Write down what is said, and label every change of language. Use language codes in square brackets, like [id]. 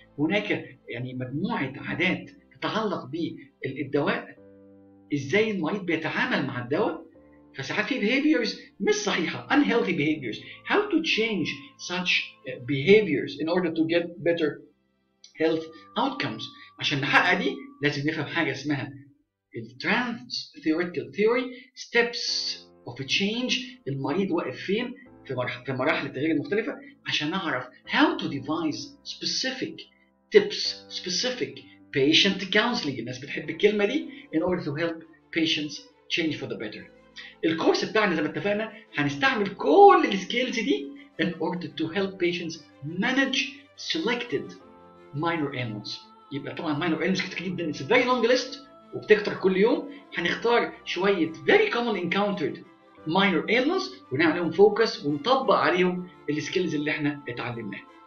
[ar] هناك يعني مجموعة عادات تتعلق بالدواء، ازاي المريض بيتعامل مع الدواء. فساعات في behaviors مش صحيحة، [en] unhealthy behaviors. How to change such behaviors in order to get better health outcomes. [ar] عشان نحقق دي لازم نفهم حاجة اسمها trans theoretical theory، [en] steps of a change. [ar] المريض واقف فين في مراحل التغيير المختلفة، عشان نعرف [en] how to devise specific tips، [ar] specific patient counseling. الناس بتحب الكلمة دي، [en] in order to help patients change for the better. [ar] الكورس بتاعنا زي ما اتفقنا هنستعمل كل السكيلز دي [en] in order to help patients manage selected minor ailments. يبقى طبعا minor ailments [ar] كتير جدا، [en] it's a very long list [ar] وبتكتر كل يوم. هنختار شوية [en] very commonly encountered minor ailments [ar] ونعمل لهم focus ونطبق عليهم السكيلز اللي احنا اتعلمناها.